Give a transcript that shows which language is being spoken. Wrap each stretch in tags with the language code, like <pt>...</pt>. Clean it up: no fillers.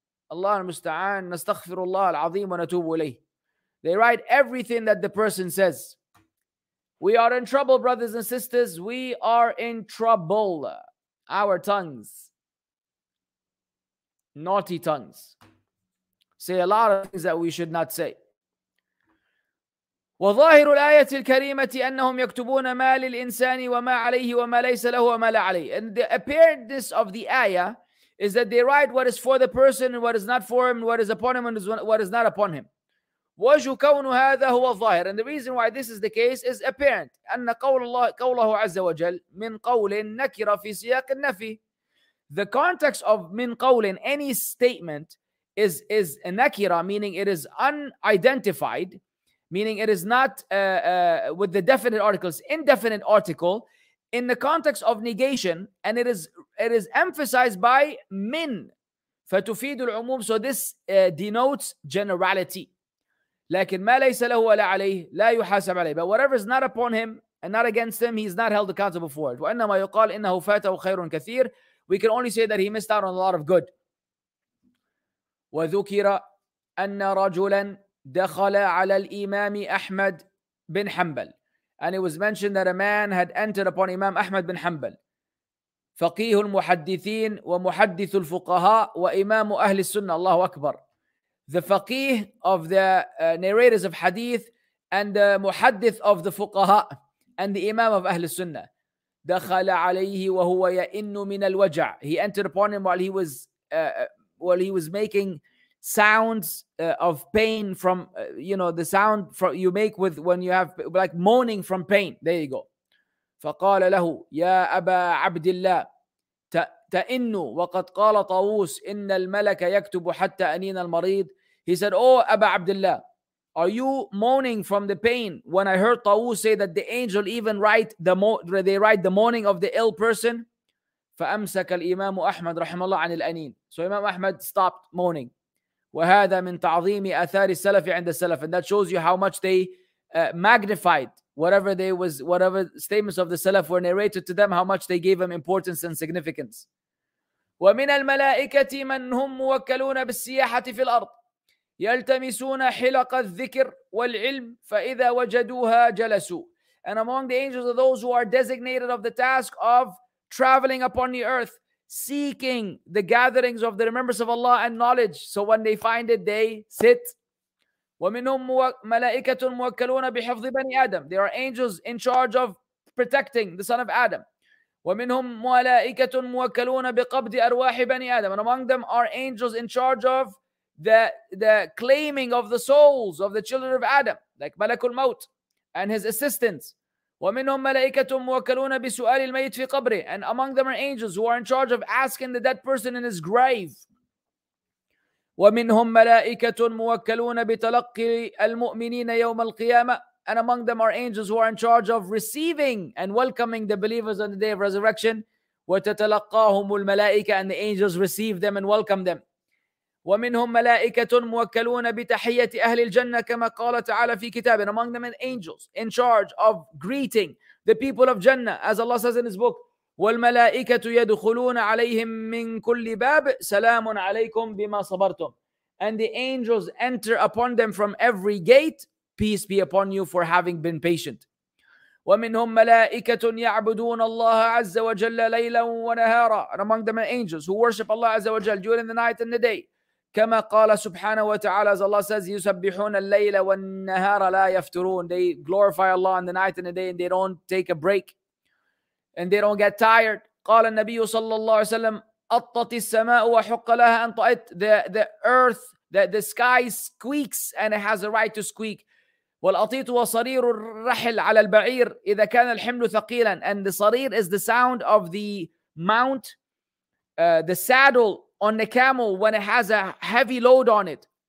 <ar>Allah al-musta'an, nastaghfirullah al-azim wa natubu ilayh.</ar> <en>They write everything that the person says. We are in trouble, brothers and sisters. We are in trouble. Our tongues, naughty tongues, say a lot of things that we should not say.</en> <ar>وظاهر الآية الكريمة أنهم يكتبون ما للإنسان وما عليه وما ليس له وما لا عليه.</ar> <en>And the appearance of the ayah is that they write what is for the person and what is not for him, what is upon him and what is not upon him.</en> <ar>وجه كون هذا هو الظاهر.</ar> <en>And the reason why this is the case is apparent.</en> <ar>أن قول الله قوله عز وجل من قول نكر في سياق النفي.</ar> <en>The context of min qawlin, any statement, is a nakira, meaning it is unidentified, meaning it is not with the definite articles, indefinite article, in the context of negation, and it is emphasized by min,</en> <ar>فَتُفِيدُ الْعُمُومِ.</ar> <en>So this denotes generality.</en> <ar>لَكِنْ مَا لَيْسَ لَهُ وَلَا عَلَيْهِ لَا يُحَاسَبْ عَلَيْهِ.</ar> <en>But whatever is not upon him and not against him, he's not held accountable for it.</en> <ar>وَإِنَّمَا يُقَالْ إِنَّهُ فَاتَهُ خَيْرٌ كَثِيرٌ.</ar> <en>We can only say that he missed out on a lot of good.</en> <ar>وَذُكِرَ أَنَّ رَجُلًا دَخَلَ عَلَى الْإِمَامِ أَحْمَدْ بِنْ حَنْبَلْ.</ar> <en>And it was mentioned that a man had entered upon Imam Ahmad bin Hanbal.</en> <ar>فَقِيهُ الْمُحَدِّثِينَ وَمُحَدِّثُ الْفُقَهَاءِ وَإِمَامُ أَهْلِ السُّنَّةِ. Allahu Akbar.</ar> <en>The faqih of the narrators of hadith and the muhaddith of the fuqaha and the imam of Ahl Sunnah.</en> <ar>دخل عليه وهو يئن من الوجع.</ar> <en>He entered upon him while he was making sounds of pain from the sound from you make with when you have like moaning from pain. There you go.</en> <ar>فقال له يا أبا عبد الله تئن وقد قال طاووس إن الملك يكتب حتى أنين المريض.</ar> <en>He said, oh أبا عبد الله, are you moaning from the pain when I heard Tawu say that the angel even write the mourning of the ill person?</en> <ar>فأمسك الإمام أحمد رحمه الله عن الأنين.</ar> <en>So Imam Ahmad stopped moaning.</en> <ar>وهذا من تعظيم أثار السلف عند السلف.</ar> <en>And that shows you how much they magnified whatever statements of the Salaf were narrated to them, how much they gave them importance and significance.</en> <ar>ومن الملائكة من هم موكلون بالسياحة في الأرض. يلتمسون حلق الذكر والعلم فإذا وجدوها جلسوا.</ar> <en>And among the angels are those who are designated of the task of traveling upon the earth, seeking the gatherings of the remembrance of Allah and knowledge. So when they find it, they sit.</en> <ar>ومنهم ملائكة موكلون بحفظ بني آدم.</ar> <en>There are angels in charge of protecting the son of Adam.</en> <ar>ومنهم ملائكة موكلون بقبض أرواح بني آدم.</ar> <en>And among them are angels in charge of the claiming of the souls of the children of Adam, like Malakul Maut and his assistants.</en> <ar>وَمِنْهُمْ مَلَائِكَةٌ مُوَكَّلُونَ بِسُؤَالِ الْمَيْتِ فِي قَبْرِهِ.</ar> <en>And among them are angels who are in charge of asking the dead person in his grave.</en> <ar>وَمِنْهُمْ مَلَائِكَةٌ مُوَكَّلُونَ بِتَلَقِّي الْمُؤْمِنِينَ يَوْمَ الْقِيَامَةِ.</ar> <en>And among them are angels who are in charge of receiving and welcoming the believers on the day of resurrection.</en> <ar>وَتَتَلَقَّاهُمُ الْمَلَائِكَةُ.</ar> <en>And the angels receive them and welcome them.</en> <ar>ومنهم ملائكة موكلون بتحية أهل الجنة كما قال تعالى في كتابه.</ar> <en>And among them are angels in charge of greeting the people of Jannah, as Allah says in His book.</en> <ar>والملائكة يدخلون عليهم من كل باب سلام عليكم بما صبرتم.</ar> <en>And the angels enter upon them from every gate, peace be upon you for having been patient.</en> <ar>ومنهم ملائكة يعبدون الله عز وجل ليلا ونهارا.</ar> <en>And among them are angels who worship Allah عز وجل during the night and the day.</en> <ar>كما قال سبحانه وتعالى,</ar> <en>as Allah says,</en> <ar>يسبحون الليل والنهار لا يفترون.</ar> <en>They glorify Allah in the night and the day, and they don't take a break and they don't get tired.</en> <ar>قال النبي صلى الله عليه وسلم, أطت السماء وحق لها أن طأت.</ar> <en>The earth, the sky squeaks and it has a right to squeak.</en> <ar>والأطيت وصرير الرحل على البعير إذا كان الحمل ثقيلا.</ar> <en>And the sarir is the sound of the mount, the saddle on the camel when it has a heavy load on it.</en>